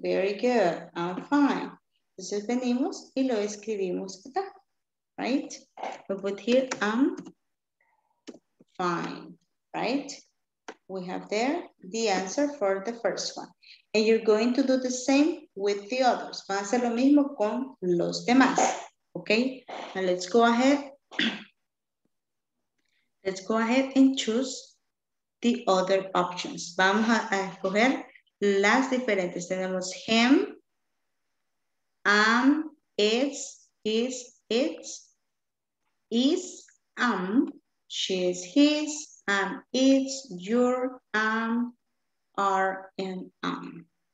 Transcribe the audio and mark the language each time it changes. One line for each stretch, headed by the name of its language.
English: Very good. I'm fine.
Spanish: Entonces venimos y lo escribimos acá. Right?
English: We put here, I'm fine. Right? We have there the answer for the first one. And you're going to do the same with the others.
Spanish: Van a hacer lo mismo con los demás.
English: Okay? Now let's go ahead. Let's go ahead and choose the other options.
Spanish: Vamos a escoger las diferentes. Tenemos
English: him, am, is, is, it's, is, am, she is, his, am, it's, your, am, are, and am.